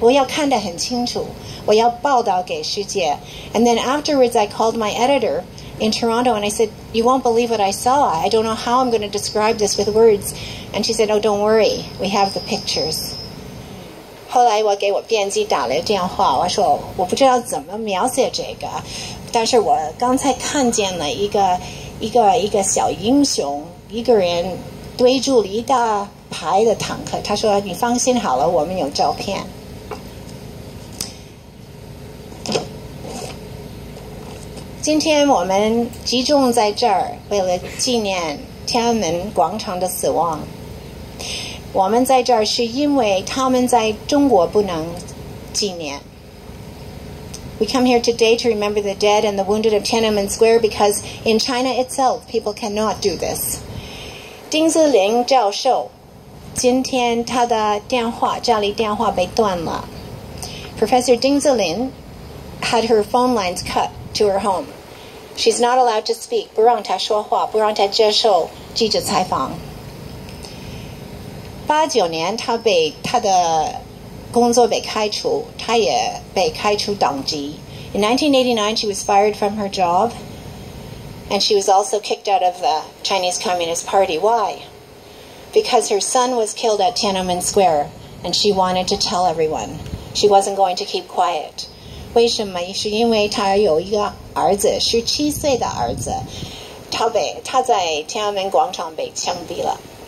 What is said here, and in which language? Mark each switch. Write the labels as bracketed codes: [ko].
[zh] 我开始哭，但是我不愿意哭，因为我要看得很清楚，我要报道给世界. [en] And then afterwards, I called my editor in Toronto, and I said, you won't believe what I saw. I don't know how I'm going to describe this with words. And she said, oh, don't worry. We have the pictures. [zh] 后来我给我编辑打了电话，我说我不知道怎么描写这个，但是我刚才看见了一个小英雄，一个人堆住了一大排的坦克。他说你放心好了，我们有照片。今天我们集中在这儿，为了纪念天安门广场的死亡。我们在这儿是因为他们在中国不能纪念。 [en] We come here today to remember the dead and the wounded of Tiananmen Square because in China itself, people cannot do this. [zh] 丁子霖教授，今天他的电话，家里电话被断了。 [en] Professor 丁子霖 had her phone lines cut to her home. She's not allowed to speak, [zh] 不让她说话，不让她接受记者采访。 89年，他被他的工作被开除，他也被开除党籍。 [en] In 1989, she was fired from her job, and she was also kicked out of the Chinese Communist Party. Why? Because her son was killed at Tiananmen Square, and she wanted to tell everyone. She wasn't going to keep quiet. [zh] 为什么？是因为他有一个儿子，17岁的儿子，他在Tiananmen广场被枪毙了。